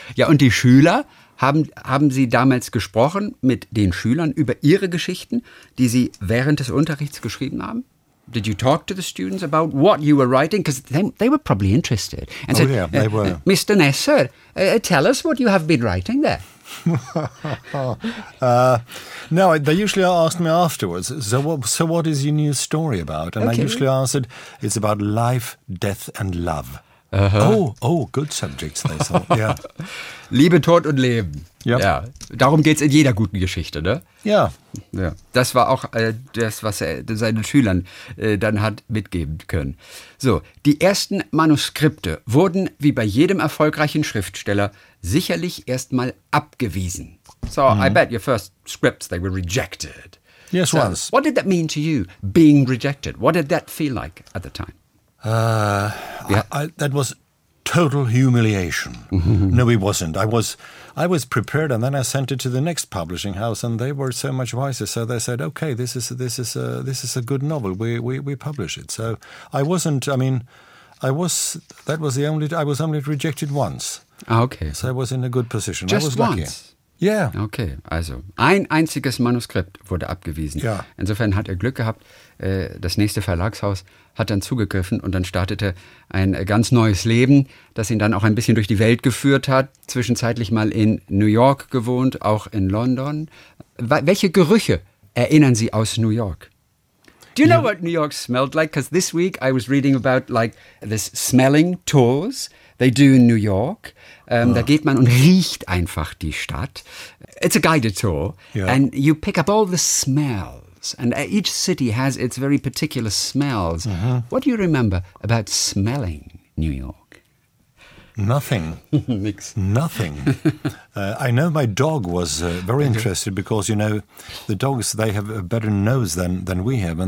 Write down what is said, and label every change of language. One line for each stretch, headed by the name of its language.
German: Ja, und die Schüler, haben Sie damals gesprochen mit den Schülern über ihre Geschichten, die sie während des Unterrichts geschrieben haben?
English: Did you talk to the students about what you were writing? Because they were probably interested. And said, yeah, they were. Mr. Nesser, tell us what you have been writing there. No, they usually asked me afterwards, so what is your new story about? And I usually answered, it's about life, death and love. Uh-huh. Oh, good subjects, they thought, yeah.
German: Liebe, Tod und Leben.
English: Yep.
German: Ja, darum geht's in jeder guten Geschichte, ne? Ja. Ja. Das war auch das, was er seinen Schülern dann hat mitgeben können. So, die ersten Manuskripte wurden, wie bei jedem erfolgreichen Schriftsteller, sicherlich erstmal abgewiesen.
English: So, I bet your first scripts, they were rejected. Yes, so, once. What did that mean to you, being rejected? What did that feel like at the time? That was total humiliation. Mm-hmm. No, it wasn't. I was prepared, and then I sent it to the next publishing house, and they were so much wiser. So they said, "Okay, this is a good novel. We publish it." So I wasn't. I mean, I was. That was the only. I was only rejected once. Ah, okay. So I was in a good position. Just I was lucky. Once. Yeah.
German: Okay. Also ein einziges Manuskript wurde abgewiesen.
English: Yeah.
German: Insofern hat er Glück gehabt. Das nächste Verlagshaus hat dann zugegriffen und dann startete ein ganz neues Leben, das ihn dann auch ein bisschen durch die Welt geführt hat. Zwischenzeitlich mal in New York gewohnt, auch in London. Welche Gerüche erinnern Sie aus New York?
English: Do you know what New York smelled like? Because this week I was reading about like this smelling tours they do in New York.
German: Da geht man und riecht einfach die Stadt.
English: It's a guided tour. Yeah. And you pick up all the smells. And each city has its very particular smells. Uh-huh. What do you remember about smelling New York? Nothing. Nothing. I know my dog was very interested because, you know, the dogs, they have a better nose than we have.